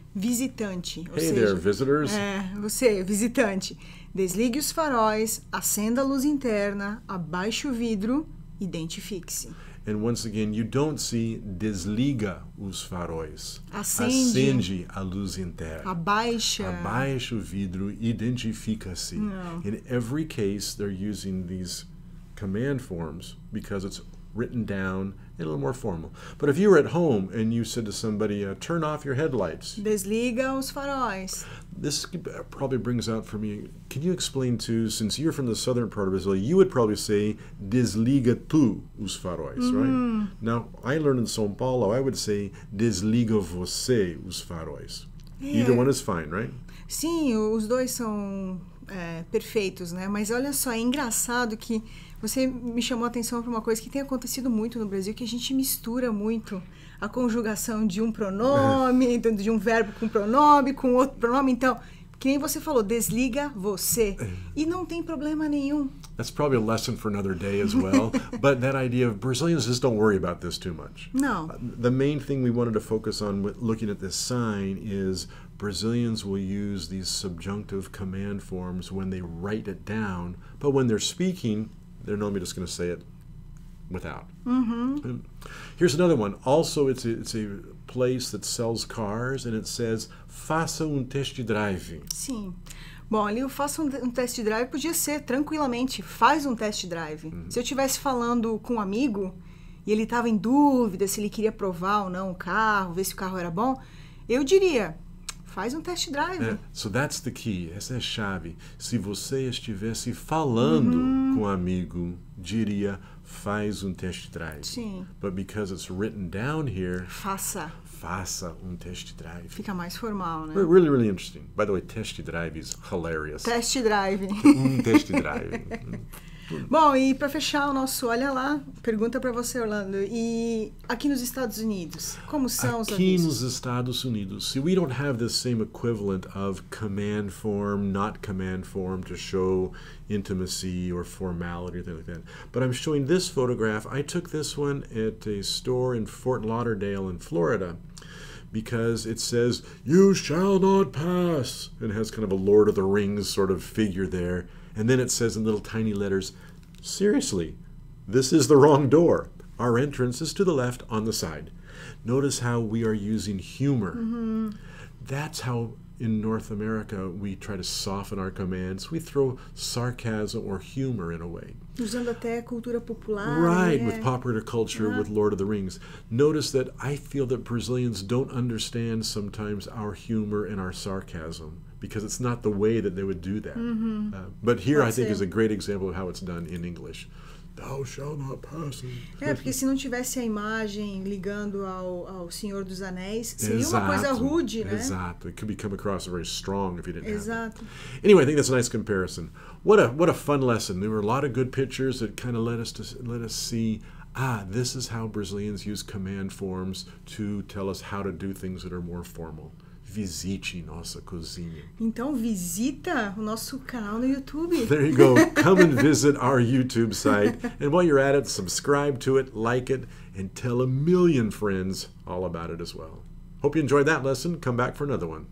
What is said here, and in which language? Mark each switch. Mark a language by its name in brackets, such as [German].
[Portuguese] Visitante. [English] Hey [Portuguese] ou seja, [English] there, visitors. [Portuguese] É, você, visitante. Desligue os faróis, acenda a luz interna, abaixe o vidro... Identifique-se. [English] And once again, you don't see [Portuguese] desliga os faróis. Acende. Acende a luz interna. Abaixa. Abaixa o vidro, identifica-se. [English] No. In every case, they're using these command forms because it's written down and a little more formal. But if you were at home and you said to somebody, turn off your headlights. [Portuguese] Desliga os faróis. [English] This probably brings out for me, can you explain too, since you're from the southern part of Brazil, you would probably say, [Portuguese] desliga tu os faróis, [English] mm-hmm. right? Now, I learned in São Paulo, I would say, [Portuguese] desliga você os faróis. [English] Yeah. Either one is fine, right? [Portuguese] Sim, os dois são perfeitos, né? Mas olha só, é engraçado que você me chamou a atenção para uma coisa que tem acontecido muito no Brasil, que a gente mistura muito a conjugação de um pronome, de um verbo com outro pronome. Então, que nem você falou, desliga você. E não tem problema nenhum. [English] That's probably a lesson for another day as well. But that idea of Brazilians just don't worry about this too much. No. The main thing we wanted to focus on looking at this sign is Brazilians will use these subjunctive command forms when they write it down. But when they're speaking... their nome, just going to say it without. Mm-hmm. Here's another one. Also, it's a place that sells cars, and it says, [Portuguese] faça test drive. Sim. Bom, ali o faça test drive podia ser tranquilamente, faz test drive. Se eu estivesse falando com um amigo, e ele estava em dúvida se ele queria provar ou não o carro, ver se o carro era bom, eu diria, faz test drive. [English] So that's the key, [Portuguese] essa é a chave. Se você estivesse falando com um amigo, diria, faz test drive. Sim. [English] But because it's written down here, [Portuguese] faça. Faça test drive. Fica mais formal, né? [English] Really, really interesting. By the way, test drive is hilarious. Test drive. test drive. [Portuguese] Bom, e para fechar o nosso olha lá, pergunta para você, Orlando. E aqui nos Estados Unidos, como são aqui os avisos? Aqui nos Estados Unidos, [English] see, we don't have the same equivalent of command form, not command form, to show intimacy or formality or anything like that. But I'm showing this photograph. I took this one at a store in Fort Lauderdale in Florida. Because it says, you shall not pass. And it has kind of a Lord of the Rings sort of figure there. And then it says in little tiny letters, seriously, this is the wrong door. Our entrance is to the left on the side. Notice how we are using humor. Mm-hmm. That's how in North America we try to soften our commands. We throw sarcasm or humor in a way. [Portuguese] Usando até a cultura popular. [English] Right, with popular culture, with Lord of the Rings. Notice that I feel that Brazilians don't understand sometimes our humor and our sarcasm. Because it's not the way that they would do that. Mm-hmm. But here, I think, is a great example of how it's done in English. Thou shalt not pass. [Portuguese] É, porque se não tivesse a imagem ligando ao Senhor dos Anéis, seria uma coisa rude, né? Exato. [English] It could be come across very strong if you didn't [Portuguese] Exato. [English] Have it. Anyway, I think that's a nice comparison. What a fun lesson. There were a lot of good pictures that kind of let us see, this is how Brazilians use command forms to tell us how to do things that are more formal. [Portuguese] Visite nossa cozinha. Então visita o nosso canal no YouTube. [English] There you go. Come and visit our YouTube site. And while you're at it, subscribe to it, like it, and tell a million friends all about it as well. Hope you enjoyed that lesson. Come back for another one.